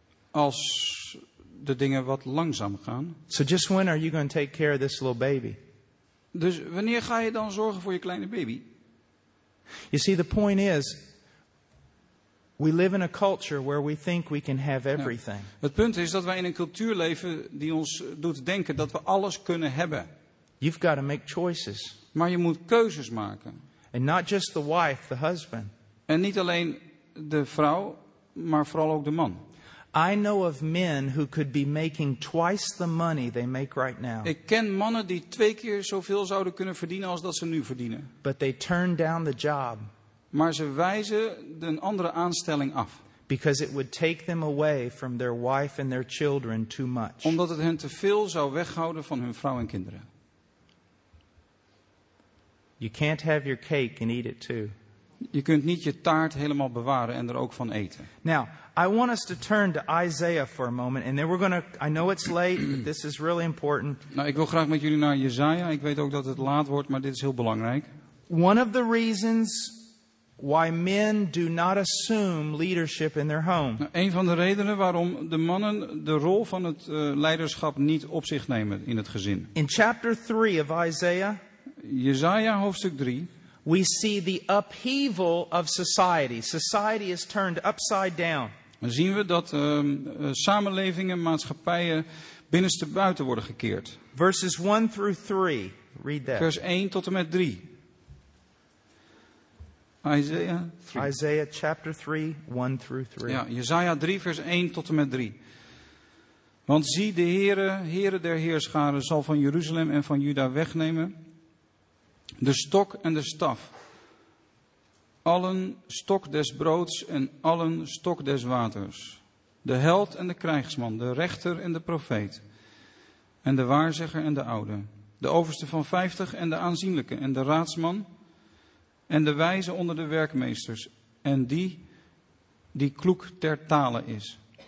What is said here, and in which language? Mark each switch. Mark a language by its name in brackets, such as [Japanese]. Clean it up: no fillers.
[Dutch] Als de dingen wat langzaam gaan. [English] So just when are you going to take care of this little baby? [Dutch] Dus wanneer ga je dan zorgen voor je kleine baby? [English] You see, the point is, we live in a culture where we think we can have everything. [Dutch] Ja, het punt is dat wij in een cultuur leven die ons doet denken dat we alles kunnen hebben. [English] You've got to make choices. [Dutch] Maar je moet keuzes maken. [English] And not just the wife, the husband. [Dutch] En niet alleen de vrouw, maar vooral ook de man. [English] I know of men who could be making twice the money they make right now. [Dutch] Ik ken mannen die twee keer zoveel zouden kunnen verdienen als dat ze nu verdienen. [English] But they turn down the job. [Dutch] Maar ze wijzen een andere aanstelling af. [English] Because it would take them away from their wife and their children too much. [Dutch] Omdat het hen te veel zou weghouden van hun vrouw en kinderen. [English] You can't have your cake and eat it too. [Dutch] Je kunt niet je taart helemaal bewaren en er ook van eten. [English] Now, I want us to turn to Isaiah for a moment, and then we're going to. I know it's late, but this is really important. [Dutch] Nou, ik wil graag met jullie naar Jesaja. Ik weet ook dat het laat wordt, maar dit is heel belangrijk. [English] One of the reasons why men do not assume leadership in their home. [Dutch] Nou, een van de redenen waarom de mannen de rol van het leiderschap niet op zich nemen in het gezin. [English] In chapter 3 of Isaiah. [Dutch] Jesaja hoofdstuk 3. [English] We see the upheaval of society. Society is turned upside down. [Dutch] Dan zien we dat samenlevingen, maatschappijen binnenste buiten worden gekeerd. [English] Verses 1 through 3. Read that. [Dutch] Vers 1 tot en met 3. [English] Isaiah 3. Isaiah chapter 3, 1 through 3. [Dutch] Ja, Jesaja 3, vers 1 tot en met 3. Want zie, de Heere, Heere der Heerscharen, zal van Jeruzalem en van Juda wegnemen de stok en de staf, allen stok des broods en allen stok des waters, de held en de krijgsman, de rechter en de profeet, en de waarzegger en de oude, de overste van 50 en de aanzienlijke en de raadsman, en de wijze onder de werkmeesters, en die die kloek ter tale is.